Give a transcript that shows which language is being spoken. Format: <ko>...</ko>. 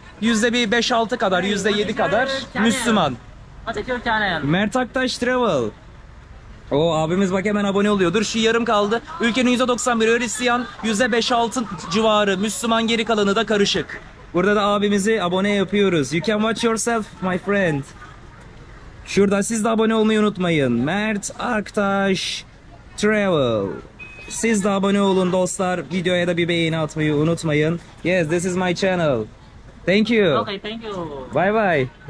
<tr>%5-6 kadar, %7 kadar Müslüman. Mert Aktaş Travel. O abimiz bak hemen abone oluyor. Dur şu yarım kaldı. Ülkenin %91'i Hristiyan. %5-6 civarı Müslüman, geri kalanı da karışık. Burada da abimizi abone yapıyoruz.</tr> <en>You can watch yourself, my friend.</en> <tr>Şurada siz de abone olmayı unutmayın. Mert Aktaş Travel. Siz de abone olun dostlar. Videoya da bir beğeni atmayı unutmayın.</tr> <en>Yes, this is my channel. Thank you. Okay, thank you. Bye bye.</en>